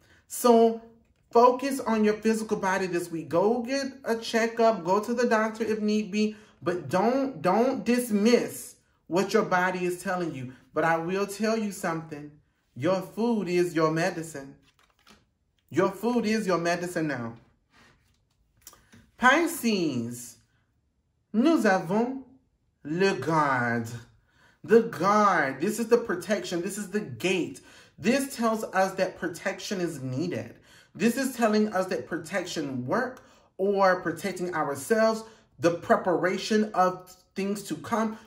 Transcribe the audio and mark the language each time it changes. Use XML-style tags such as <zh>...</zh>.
<en>So focus on your physical body this week. Go get a checkup. Go to the doctor if need be. But don't dismiss what your body is telling you. But I will tell you something. Your food is your medicine. Your food is your medicine now.</en> <fr>Pisces, nous avons le garde.</fr> <en>The guard. This is the protection. This is the gate. This tells us that protection is needed. This is telling us that protection work or protecting ourselves, the preparation of things to come.</en>